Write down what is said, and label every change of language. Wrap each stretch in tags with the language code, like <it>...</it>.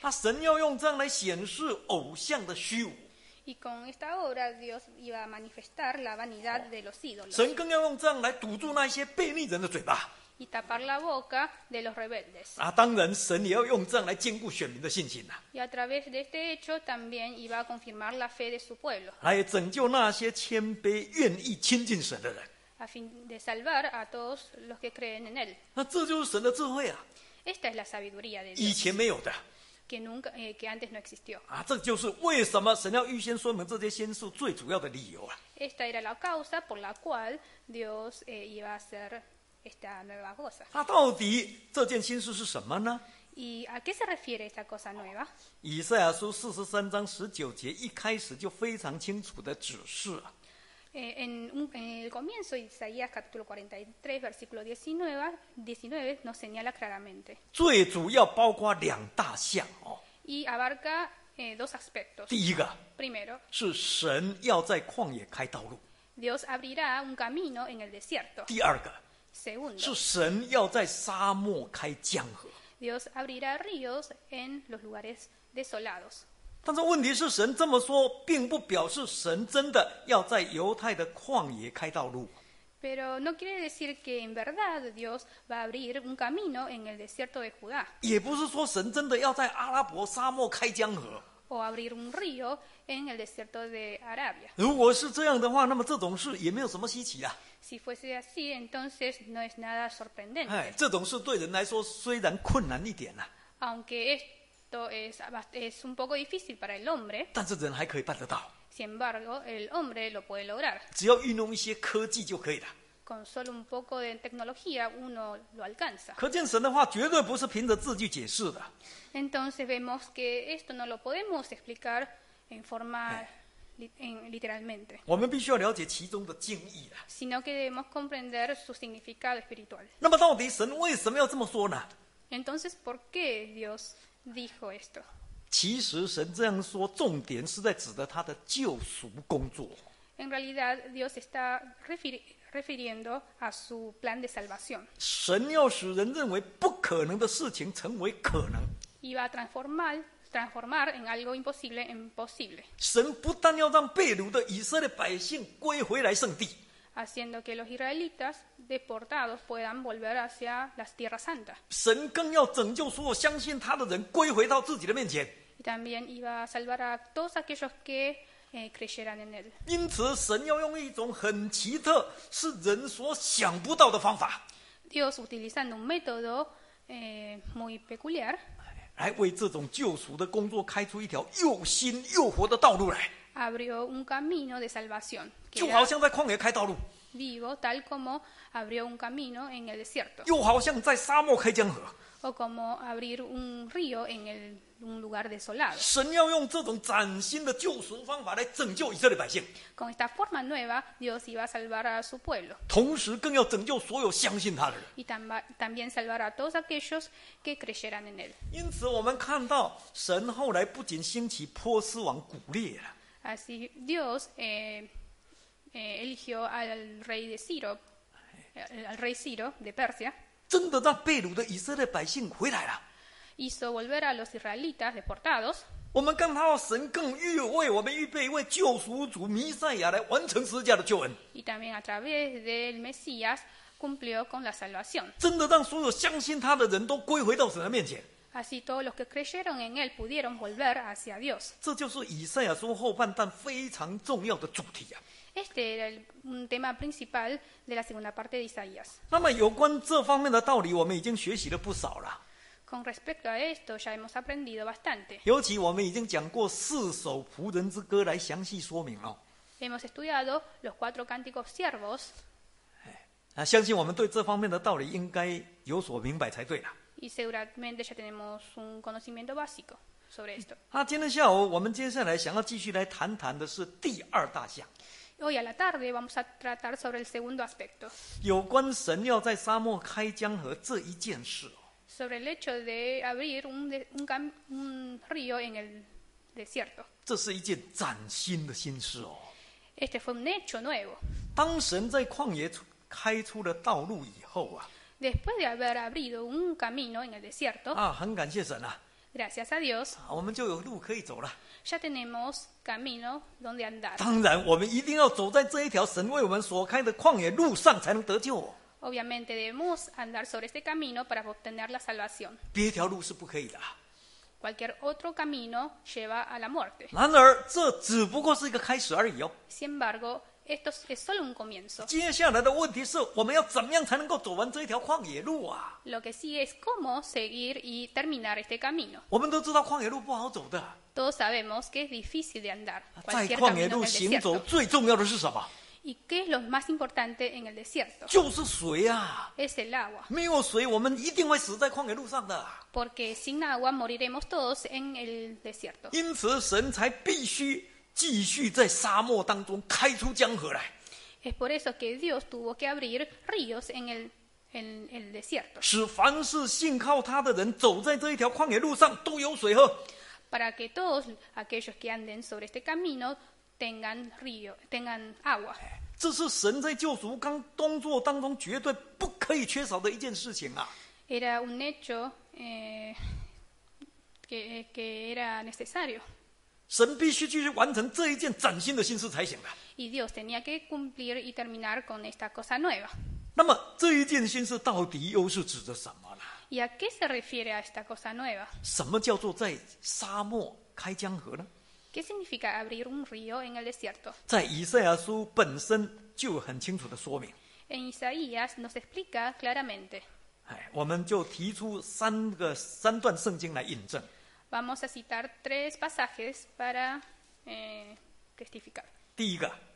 <zh>他神要用这样来显示偶像的虚无。</zh> <es>Y con esta obra Dios iba a manifestar la vanidad de los ídolos.</es> <zh>神更要用这样来堵住那些悖逆人的嘴巴。</zh> <es>Y tapar la boca de los rebeldes.</es> <zh>啊，当然，神也要用这样来坚固选民的信心呐。</zh> <es>Y a través de este hecho también iba a confirmar la fe de su pueblo.</es> <zh>来拯救那些谦卑、愿意亲近神的人。</zh> <es>A fin de salvar a todos los que creen en él.</es> <zh>那这就是神的智慧啊。</zh> <es>Esta es la sabiduría de Dios.</es> <zh>以前没有的。</zh> <es>Que nunca, que antes no existió.</es> <zh>啊，这就是为什么神要预先说明这些先知最主要的理由啊。</zh> <es>Esta era la causa por la cual Dios iba a hacer esta nueva cosa.</es> <zh>那到底这件先知是什么呢？</zh> <es>Y a qué se refiere esta cosa nueva?</es> <zh>以赛亚书四十三章十九节一开始就非常清楚的指示啊。</zh> <es>En el comienzo de Isaías capítulo 43 versículo 19 nos señala claramente.</es> <zh>最主要包括两大项哦。</zh> <es>Y abarca dos aspectos.</es> <zh>第一个</zh> <es>primero,</es> <zh>是神要在旷野开道路。</zh> <es>Dios abrirá un camino en el desierto.</es> <zh>第二个</zh> <es>segundo,</es> <zh>是神要在沙漠开江河。</zh> <es>Dios abrirá ríos en los lugares desolados.</es> <zh>但是问题是，神这么说并不表示神真的要在犹太的旷野开道路。</zh> <es>Pero no quiere decir que en verdad Dios va a abrir un camino en el desierto de Judá.</es> <zh>也不是说神真的要在阿拉伯沙漠开江河。</zh> <es>O abrir un río en el desierto de Arabia.</es> <zh>如果是这样的话，那么这种事也没有什么稀奇啊。</zh> <es>Si fuese así, entonces no es nada sorprendente.</es> <zh>哎，这种事对人来说虽然困难一点啊。</zh> <es>Aunque es un poco difícil para el hombre,</es> <zh>但是人还可以办得到。</zh> <es>Sin embargo, el hombre lo puede lograr.</es> <zh>只要运用一些科技就可以了。</zh> <es>Con solo un poco de tecnología, uno lo alcanza.</es> <zh>可见神的话绝对不是凭着字句解释的。</zh> <es>Entonces vemos que esto no lo podemos explicar en forma literalmente.</es> <zh>我们必须要了解其中的经义啊。</zh> <es>Sino que debemos comprender su significado espiritual.</es> <zh>那么到底神为什么要这么说呢？</zh> <es>Entonces, ¿por qué Dios? Dijo esto.</es> <zh>其实神这样说重点是在指的他的救赎工作。</zh> <es>En realidad, Dios está refiriendo a su plan de salvación.</es> <zh>神要使人认为不可能的事情成为可能。</zh> <es>Iba a transformar en algo imposible en posible.</es> <zh>神不但要让被掳的以色列百姓归回来圣地。</zh> <es>Haciendo que los israelitas deportados puedan volver hacia las tierras santas.</es> <zh>神更要拯救所有相信他的人归回到自己的面前。</zh> <es>Y también iba a salvar a todos aquellos que creyeran en él.</es> <zh>因此，神要用一种很奇特、是人所想不到的方法。</zh> <es>Dios utilizando un método muy peculiar.</es> <zh>来为这种救赎的工作开出一条又新又活的道路来。</zh> <es>Abrió un camino de salvación.</es> <zh>就好像在旷野开道路。</zh> <es>Vivo tal como abrió un camino en el desierto.</es> <zh>又好像在沙漠开江河。</zh> <es>O como abrir un río en un lugar desolado.</es> <zh>神要用这种崭新的救赎方法来拯救以色列百姓。</zh> <es>Con esta forma nueva, Dios iba a salvar a su pueblo.</es> <zh>同时更要拯救所有相信他的人。</zh> <es>Y también salvar a todos aquellos que creyeran en él.</es> <zh>因此我们看到神后来不仅兴起波斯王古列了。</zh> <es>Así Dios eligió al rey de Ciro, al rey Ciro de Persia.</es> <zh>真的让被掳的以色列百姓回来了。</zh> <es>Hizo volver a los israelitas deportados.</es> <zh>我们看到神更预为我们预备一位救赎主弥赛亚来完成十字架的救恩。</zh> <es>Y también a través del Mesías cumplió con la salvación.</es> <zh>真的让所有相信他的人都归回到神的面前。</zh> <es>Así todos los que creyeron en él pudieron volver hacia Dios.</es> <zh>这就是以赛亚书后半段非常重要的主题啊。</zh> <es>Este era un tema principal de la segunda parte de Isaías.</es> <zh>那么有关这方面的道理，我们已经学习了不少了。</zh> <es>Con respecto a esto, ya hemos aprendido bastante.</es> <zh>尤其我们已经讲过四首仆人之歌来详细说明了。</zh> <es>Hemos estudiado los cuatro cánticos siervos.</es> <zh>哎，相信我们对这方面的道理应该有所明白才对了。</zh> <es>Y seguramente ya tenemos un conocimiento básico. sobre esto.</es> <zh>今天下午我们接下来想要继续来谈谈的是第二大项。</zh> <es>Hoy a la tarde vamos a tratar sobre el segundo aspecto.</es> <zh>有关神要在沙漠开江河这一件事。</zh> <es>Sobre el hecho de abrir un río en el desierto.</es> <zh>这是一件崭新的新事哦。</zh> <es>Este fue un hecho nuevo.</es> <zh>当神在旷野开出了道路以后啊。</zh> <es>Después de haber abrido un camino en el desierto.</es> <zh>啊，很感谢神啊。</zh> <es>Gracias a Dios.</es> <zh>我们就有路可以走了。</zh> <es>Ya tenemos camino donde andar.</es> <zh>当然，我们一定要走在这一条神为我们所开的旷野路上，才能得救。</zh> <es>Obviamente debemos andar sobre este camino para obtener la salvación.</es> <zh>别条路是不可以的。</zh> <es>Cualquier otro camino lleva a la muerte.</es> <zh>然而，这只不过是一个开始而已哦。</zh> <es>Sin embargo, esto es solo un comienzo.</es> <zh>接下来的问题是，我们要怎么样才能够走完这条旷野路啊</zh> <es>？Lo que sigue es cómo seguir y terminar este camino.</es> <zh>我们都知道旷野路不好走的。</zh> <es>Todos sabemos que es difícil de andar.</es> <zh>在旷野路行走最重要的是什么？</zh> <es>¿Y qué es lo más importante en el desierto?</es> <zh>就是水啊。</zh> <es>Es el agua.</es> <zh>没有水，我们一定会死在旷野路上的。</zh> <es>Porque sin agua moriremos todos en el desierto.</es> <zh>因此神才必须继续在沙漠当中开出江河来。</zh> <es>Es por eso que Dios tuvo que abrir ríos en el desierto.</es> <zh>使凡是信靠他的人走在这一条旷野路上都有水喝。</zh> <es>Para que todos aquellos que anden sobre este caminotengan agua.</es> <zh>这是神在救赎刚工作当中绝对不可以缺少的一件事情啊。</zh> <es>Era un hecho que era necesario.</es> <zh>神必须继续完成这一件崭新的心事才行的。</zh> <es>Y Dios tenía que cumplir y terminar con esta cosa nueva.</es> <zh>那么这一件心事到底又是指的什么呢？</zh> <es>¿Y a qué se refiere a esta cosa nueva?</es> <zh>什么叫做在沙漠开江河呢？</zh> <es>¿Qué significa abrir un río en el desierto?</es> <zh>在以赛亚书本身就很清楚的说明。</zh> <es>En Isaías nos explica claramente.</es> <zh>我们就提出三段圣经来印证。</zh> <es>Vamos a citar tres pasajes para testificar.</es> <zh>第一个。</zh>